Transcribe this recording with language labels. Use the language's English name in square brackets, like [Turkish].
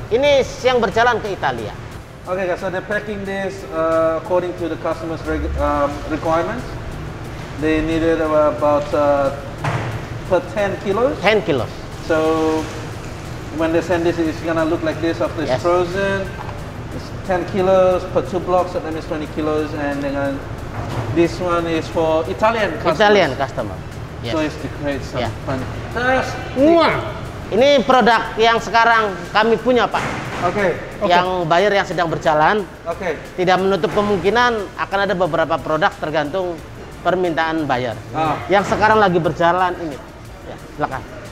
[Indonesian] Ini yang berjalan ke Italia. [English] Oke, okay, so they're packing this according to the customer's requirements. They needed about per 10 kilos. 10 kilos. So when they send this, it's gonna look like this after it's yes. frozen. It's 10 kilos per 2 blocks, so that means 20 kilos. And then this one is for Italian customers. Italian customer. Yes. So it's to create some yeah. fun. Mwah. [Indonesian] Ini produk yang sekarang kami punya, Pak. Oke. Okay. Yang buyer yang sedang berjalan. Oke. Okay. Tidak menutup kemungkinan akan ada beberapa produk tergantung permintaan buyer. Ah. Yang sekarang lagi berjalan ini. Ya, silakan.